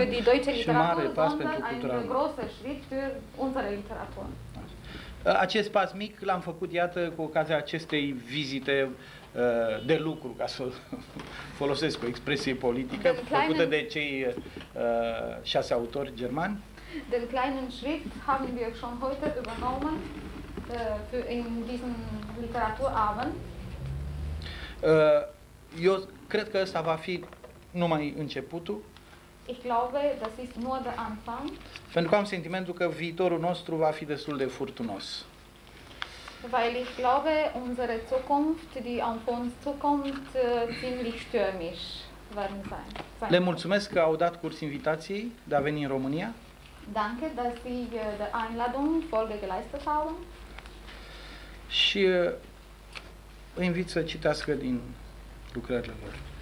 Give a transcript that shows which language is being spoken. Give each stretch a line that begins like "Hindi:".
German: für die deutsche Literatur, sondern ein großer Schritt für unsere Literatur.
Romanian: Acest pas mic l-am făcut, iată, cu ocazia acestei vizite de lucru, ca să folosesc o expresie politică, făcută de cei șase autori germani.
German: Den kleinen Schritt haben wir schon heute übernommen in diesem Literaturabend.
Romanian: Eu cred că ăsta va fi numai începutul.
German: Ich glaube, das ist nur der Anfang.
Romanian: Pentru că am sentimentul că viitorul nostru va fi destul de furtunos.
German: Weil ich glaube, unsere Zukunft, die auf uns zukommt, ziemlich stürmisch werden sein.
Romanian: Le mulțumesc că au dat curs invitației de a veni în România.
German: Danke, dass Sie der Einladung Folge geleistet haben.
Romanian: Și îi invit să citească din lucrările lor.